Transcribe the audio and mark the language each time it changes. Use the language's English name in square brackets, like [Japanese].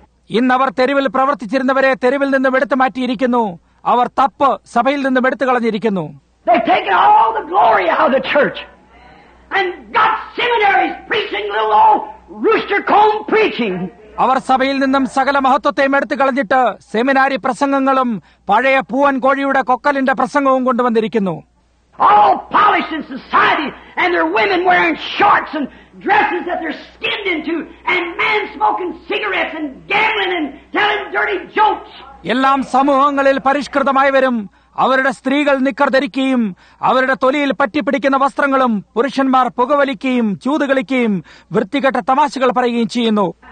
[Malayalam] ഇന്ന് അവർ തെരുവിൽ പ്രവർത്തിച്ചിരുന്നവരെ തെരുവിൽ നിന്നും എടുത്തു മാറ്റിയിരിക്കുന്നു. അവർ തപ്പ് സഭയിൽ നിന്നും എടുത്തു കളഞ്ഞിരിക്കുന്നു. [English] They've taken all the glory out of the church and got seminaries preaching little old rooster comb preaching. [Malayalam] അവർ സഭയിൽ നിന്നും സകല മഹത്വത്തെയും എടുത്തു കളഞ്ഞിട്ട് സെമിനാരി പ്രസംഗങ്ങളും പഴയ പൂവൻ കോഴിയുടെ കൊക്കലിന്റെ പ്രസംഗവും കൊണ്ടുവന്നിരിക്കുന്നു. [English] All polished in society and their women wearing shorts and dresses that they're skinned into and men smoking cigarettes and gambling and telling dirty jokes. [Malayalam] എല്ലാം സമൂഹങ്ങളിൽ പരിഷ്കൃതമായവരും അവരുടെ സ്ത്രീകൾ നിക്കർ ധരിക്കുകയും അവരുടെ തൊലിയിൽ പറ്റിപ്പിടിക്കുന്ന വസ്ത്രങ്ങളും പുരുഷന്മാർ പുകവലിക്കുകയും ചൂതുകളിക്കുകയും വൃത്തികെട്ട തമാശകൾ പറയുകയും ചെയ്യുന്നു.